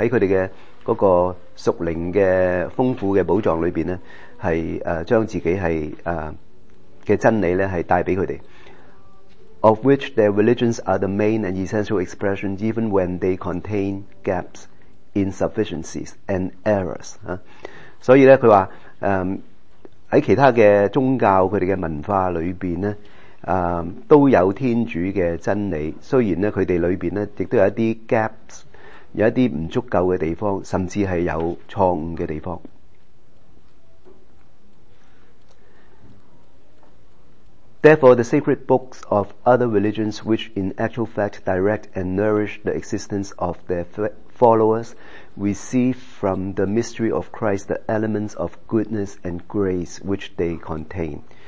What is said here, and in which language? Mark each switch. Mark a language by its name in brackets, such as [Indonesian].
[Chinese] 在他们的那个属灵的丰富的宝藏里面呢，是将自己是的真理呢是带给他们。 [English] Of which their religions are the main and essential expression even when they contain gaps, insufficiencies, and errors. [Chinese] 所以呢他说在其他的宗教他们的文化里面呢都有天主的真理，虽然呢他们里面呢亦都有一些 gaps， 有一些不足够的地方，甚至是有错误的地方。 [English] Therefore, the sacred books of other religions, which in actual fact direct and nourish the existence of their followers, receive from the mystery of Christ the elements of goodness and grace which they contain.